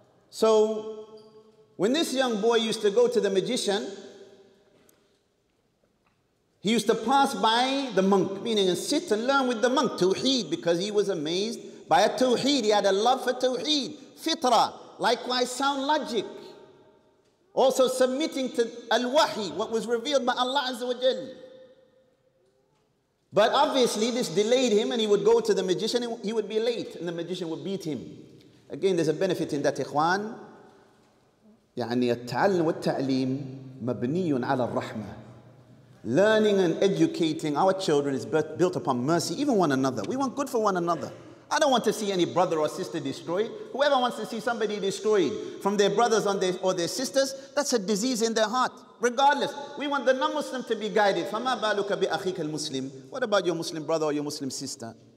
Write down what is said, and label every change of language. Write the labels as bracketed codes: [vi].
[en] So, when this young boy used to go to the magician, he used to pass by the monk, meaning sit and learn with the monk, tawheed, because he was amazed by a tawheed. He had a love for tawheed, fitra, likewise sound logic. Also submitting to al-wahi, what was revealed by Allah Azza wa Jal. But obviously this delayed him, and he would go to the magician, and he would be late, and the magician would beat him. Again, there's a benefit in that, ikhwan. [ar] يعني التعلم والتعليم مبني على الرحمة. [en] Learning and educating our children is built upon mercy, even one another. We want good for one another. I don't want to see any brother or sister destroyed. Whoever wants to see somebody destroyed from their brothers or their sisters, that's a disease in their heart. Regardless, we want the non-Muslim to be guided. [ar] فَمَا بَالُكَ بِأَخِيكَ الْمُسْلِمِ [en] What about your Muslim brother or your Muslim sister?